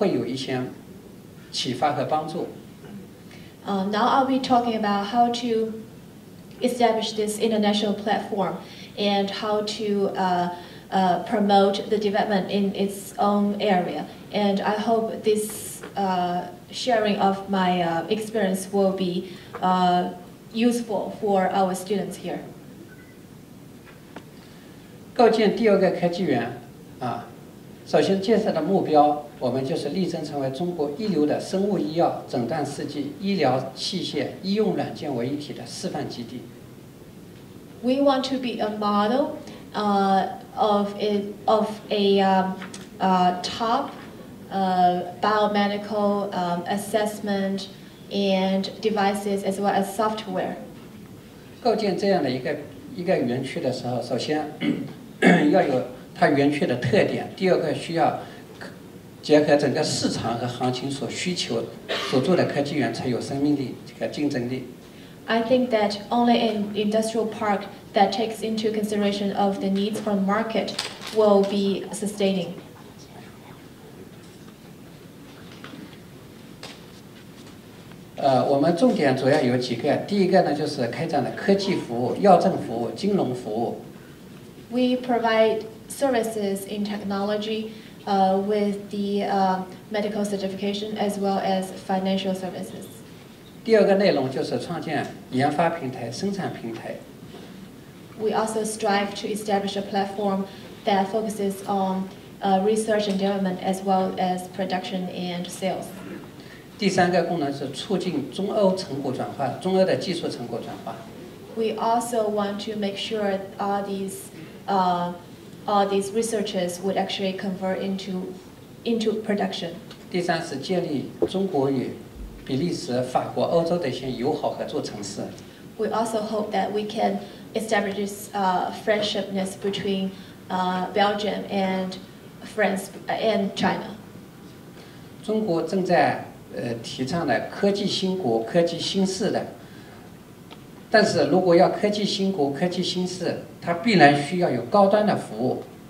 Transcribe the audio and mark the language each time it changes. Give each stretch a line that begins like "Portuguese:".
Chinese: 如何搭建这个国际平台，助推行业的发展？也许下面这部分内容对于我们在座的这些那个实际师妹或者说会有一些启发和帮助。
English: Now I'll be talking about how to establish this international platform and how to promote the development in its own area. And I hope this sharing of my experience will be useful for our students here.
Chinese: 构建第二个科技园，首先建设的目标，我们就是力争成为中国一流的生物医药诊断试剂、医疗器械、医用软件为一体的示范基地。
English: we want to be a model of a top biomedical assessment and devices as well as software.
Chinese: 构建这样的一个园区的时候，首先要有它园区的特点，第二个需要结合整个市场和行情所需求，所做的科技园才有生命力和竞争力。
English: I think that only an industrial park that takes into consideration of the needs from market will be sustaining.
Chinese: 我们重点主要有几个，第一个呢就是开展的科技服务、药证服务、金融服务。
English: We provide services in technology, with the medical certification as well as financial services.
Chinese: 第二个内容就是创建研发平台、生产平台。
English: We also strive to establish a platform that focuses on research and development as well as production and sales.
Chinese: 第三个功能是促进中欧成果转化，中欧的技术成果转化。
English: We also want to make sure all these researches would actually convert into production.
Chinese: 第三是建立中国与比利时、法国、欧洲的一些友好合作城市。
English: We also hope that we can establish friendshipness between Belgium and France and China.
Chinese: 中国正在提倡的科技兴国、科技兴市的，但是如果要科技兴国、科技兴市，它必然需要有高端的服务。